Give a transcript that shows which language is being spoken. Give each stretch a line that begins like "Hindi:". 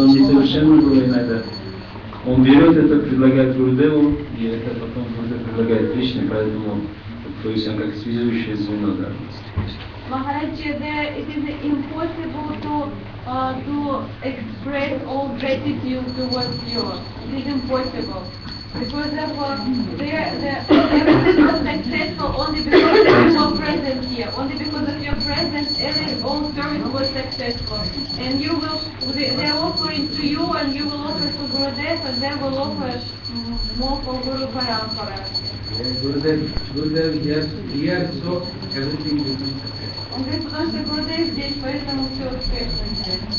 Russian: Он берет это, предлагает Гурудеву, и это потом уже предлагает Кришне, поэтому, то есть он как связующее звено, да.
English: Махараджи, it is impossible to express all gratitude towards you. It is impossible. Because everything was successful only because of your presence here. Only because of your presence, every all service was successful. And you will, they're offering to you, and you will offer to Gurudev, and they will offer more for Guru Parampara. Gurudev, yes, so everything will be successful.
Russian: Он говорит, потому что Gurudev здесь, поэтому все успешно здесь.